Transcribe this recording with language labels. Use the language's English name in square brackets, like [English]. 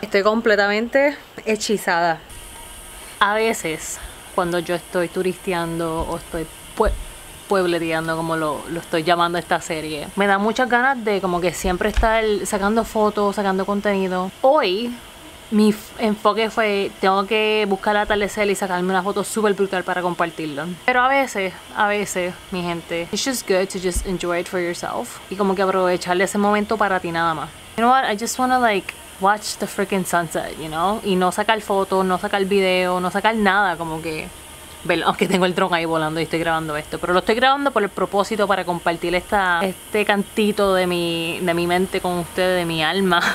[Spanish] Estoy completamente hechizada. A veces, cuando yo estoy turisteando o estoy puebleteando, como lo estoy llamando esta serie, me da muchas ganas de como que siempre estar sacando fotos, sacando contenido. Hoy mi enfoque fue, tengo que buscar atardecer y sacarme una foto súper brutal para compartirlo. Pero a veces, mi gente, [English] it's just good to just enjoy it for yourself. [Spanish] Y como que aprovecharle ese momento para ti nada más. [English] You know what, I just wanna like watch the freaking sunset, you know. [Spanish] Y no sacar fotos, no sacar video, no sacar nada, como que ver, aunque tengo el dron ahí volando y estoy grabando esto. Pero lo estoy grabando por el propósito para compartir este cantito de mi mente con ustedes, de mi alma.